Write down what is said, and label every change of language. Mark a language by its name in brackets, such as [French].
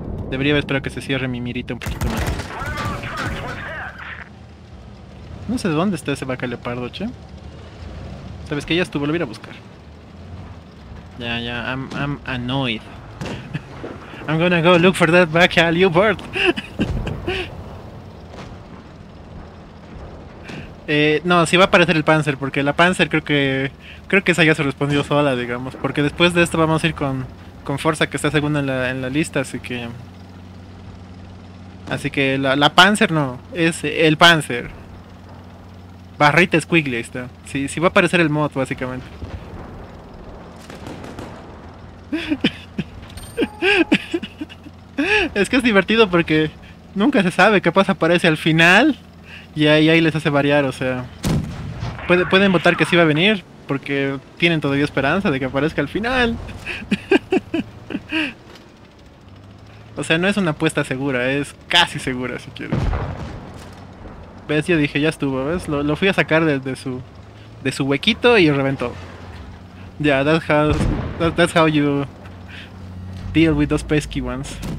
[Spanish] Debería haber esperado que se cierre mi mirita un poquito más. No sé dónde está ese vaca leopardo, che. Sabes que ya estuvo, lo voy a ir a buscar. [English] Ya, yeah, ya, yeah, I'm annoyed. I'm gonna go look for that vaca leopard. [Spanish] No, sí va a aparecer el Panzer, porque la Panzer creo que esa ya se respondió sola, digamos. Porque después de esto vamos a ir con Forza, que está segunda en la lista, así que... Así que la Panzer no, es el Panzer. Barrita Squiggly, ahí está. Sí, sí va a aparecer el mod, básicamente. Es que es divertido porque nunca se sabe qué pasa, aparece al final. Y ahí les hace variar, o sea... Pueden votar que sí va a venir, porque tienen todavía esperanza de que aparezca al final. O sea, no es una apuesta segura, es casi segura, si quieres. ¿Ves? Yo dije, ya estuvo, ¿ves? Lo fui a sacar de su huequito y reventó. [English] Ya, yeah, that's how you deal with those pesky ones.